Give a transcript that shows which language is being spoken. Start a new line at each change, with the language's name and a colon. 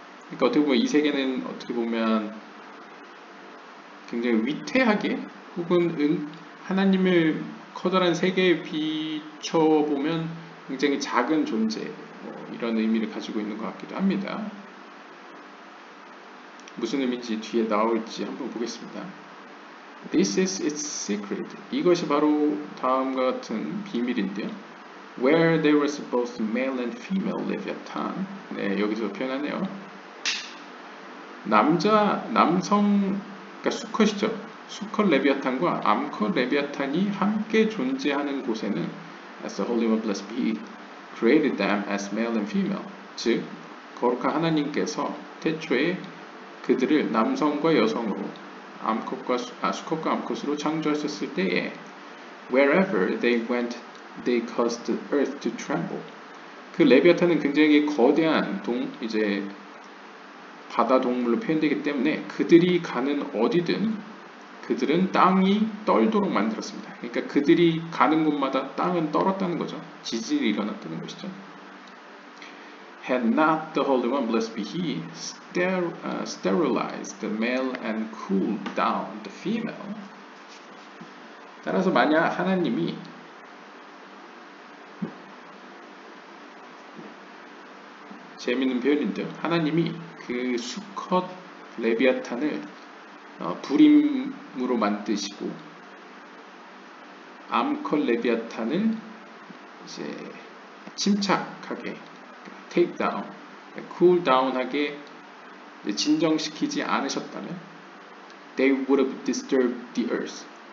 Korean: 그러니까 어떻게 보면 이 세계는 어떻게 보면 굉장히 위태하게 혹은 하나님을 커다란 세계에 비춰보면 굉장히 작은 존재 뭐 이런 의미를 가지고 있는 것 같기도 합니다. 무슨 의미인지 뒤에 나올지 한번 보겠습니다.
English: This is its secret.
Korean: 이것이 바로 다음과 같은 비밀인데요.
English: Where there was both male and female Leviathan.
Korean: 네, 여기서 표현하네요. 남성, 그러니까 수컷이죠. 수컷 레비아탄과 암컷 레비아탄이 함께 존재하는 곳에는
English: As the Holy One Blessed Be created them as male and female.
Korean: 즉, 거룩한 하나님께서 태초에 그들을 남성과 여성으로 암컷과 암컷으로 창조하셨을 때에
English: wherever they went they caused the earth to tremble.
Korean: 그 레비아탄은 굉장히 거대한 이제 바다 동물로 표현되기 때문에 그들이 가는 어디든 그들은 땅이 떨도록 만들었습니다. 그러니까 그들이 가는 곳마다 땅은 떨었다는 거죠. 지진이 일어났다는 것이죠.
English: Had not the Holy One, blessed be He, sterilized the male and cooled down the female.
Korean: 따라서 만약 하나님이 재미있는 표현인데요. 하나님이 그 수컷 레비아탄을 불임으로 만드시고 암컷 레비아탄을 이제 침착하게
English: take down, cool down
Korean: 하게 진정시키지 않으셨다면
English: they would have disturbed the earth.